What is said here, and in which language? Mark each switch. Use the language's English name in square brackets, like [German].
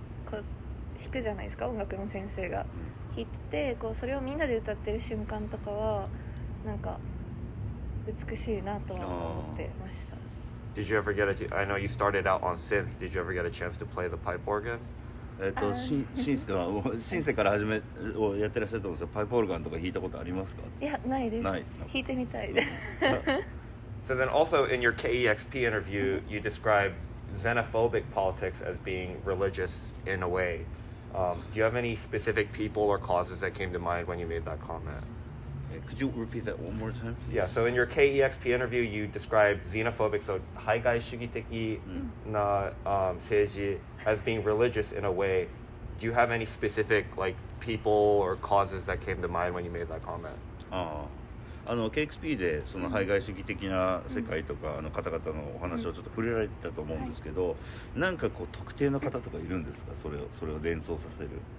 [Japanese] こう弾くじゃないですか、音楽の先生が弾いてて、こうそれをみんなで歌ってる瞬間とかはなんか美しいなとは思ってました。 [English] Did you ever get a chance? I know you started out on synth. Did you ever get a chance to play the pipe organ? [Japanese] Since から始めをやってらっしゃると思うんですよ。パイプオルガンとか弾いたことありますか？いや、ないです。ない。弾いてみたいです。 [English] So then also in your KEXP interview, you describe xenophobic politics as being religious in a way. Do you have any specific people or causes that came to mind when you made that comment? Could you repeat that one more time? Yeah, so in your KEXP interview, you described xenophobic, so [Japanese] 排外主義的な政治 [English] as being religious in a way. Do you have any specific like, people or causes that came to mind when you made that comment? [Japanese] あの KEXP でその排外主義的な世界とか、うん、あの方々のお話をちょっと触れられたと思うんですけど、うん、なんかこう特定の方とかいるんですか、それを連想させる。